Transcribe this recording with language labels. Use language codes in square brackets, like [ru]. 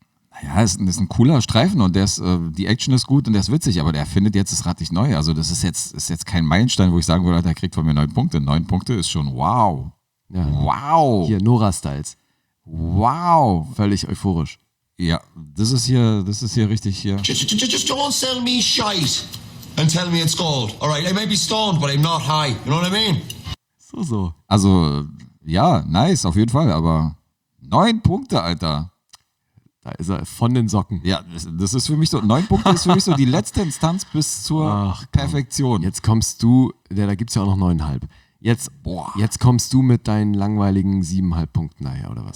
[de] Naja, ist ein cooler Streifen und der ist, die Action ist gut und der ist witzig, aber der findet jetzt das Rad nicht neu. Also das ist jetzt kein Meilenstein, wo ich sagen würde, Alter, der kriegt von mir 9 Punkte. 9 Punkte ist schon wow. Ja. Wow. Hier, Nora Styles. Wow. Völlig euphorisch. Ja, das ist hier richtig hier. [en] Just don't sell me shite and tell me it's gold. Alright, I may be stoned, but I'm not high. You know what I mean? So. [de] Also, ja, nice, auf jeden Fall, aber 9 Punkte, Alter. Da ist er von den Socken. Ja, das ist für mich so, 9 Punkte ist für mich so die letzte Instanz bis zur Perfektion. Jetzt kommst du, da gibt es ja auch noch 9,5. Jetzt kommst du mit deinen langweiligen 7,5 Punkten nachher, oder was?